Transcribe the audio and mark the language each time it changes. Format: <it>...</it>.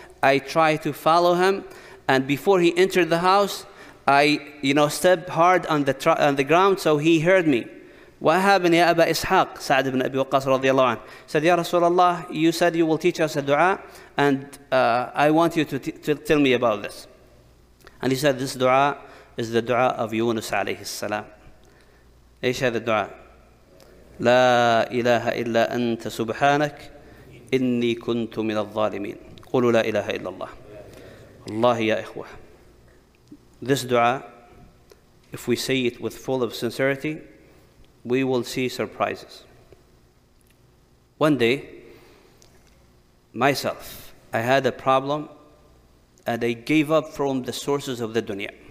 <en>I tried to follow him, and before he entered the house, I, you know, stepped hard on the ground, so he heard me. What happened, Ya Aba Ishaq, Sa'd ibn Abi Waqqas radiallahu anhu, said, Ya Rasulullah, you said you will teach us a dua, and I want you to tell me about this. And he said, this dua is the dua of Yunus alayhi salam. Aisha, the dua.</en> <ar>لا إله إلا أنت سبحانك إني كنت من الظالمين قولوا لا إله إلا الله الله يا إخوة.</ar> <en>This dua, if we say it with full of sincerity, we will see surprises. One day, myself, I had a problem and I gave up from the sources of the dunya.</en>